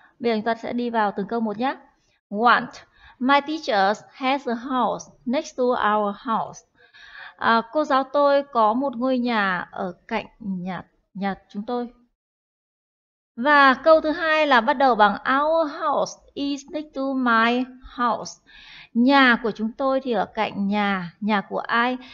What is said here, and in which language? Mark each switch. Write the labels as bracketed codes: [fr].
[vi] Bây giờ chúng ta sẽ đi vào từng câu một nhé. [en] Want. My teacher has a house next to our house. [vi] À, cô giáo tôi có một ngôi nhà ở cạnh nhà chúng tôi. Và câu thứ hai là bắt đầu bằng [en] our house is next to my house. [vi] Nhà của chúng tôi thì ở cạnh nhà của ai?